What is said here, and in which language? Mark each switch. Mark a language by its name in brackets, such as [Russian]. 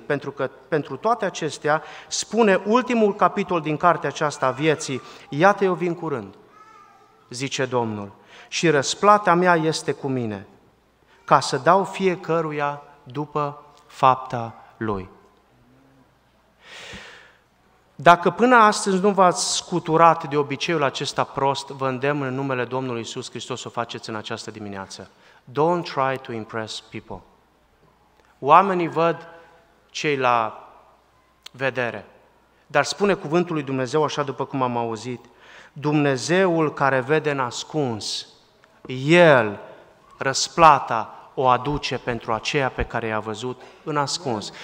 [Romanian] Pentru că pentru toate acestea spune ultimul capitol din cartea aceasta a vieții, iată eu vin curând, zice Domnul, și răsplata mea este cu mine, ca să dau fiecăruia după fapta lui. Dacă până astăzi nu v-ați scuturat de obiceiul acesta prost, vă îndemn în numele Domnului Iisus Hristos să o faceți în această dimineață. [English] Don't try to impress people. [Romanian] Oamenii văd cei la vedere, dar spune cuvântul lui Dumnezeu așa după cum am auzit, Dumnezeul care vede nascuns, El răsplata o aduce pentru aceea pe care i-a văzut în ascuns.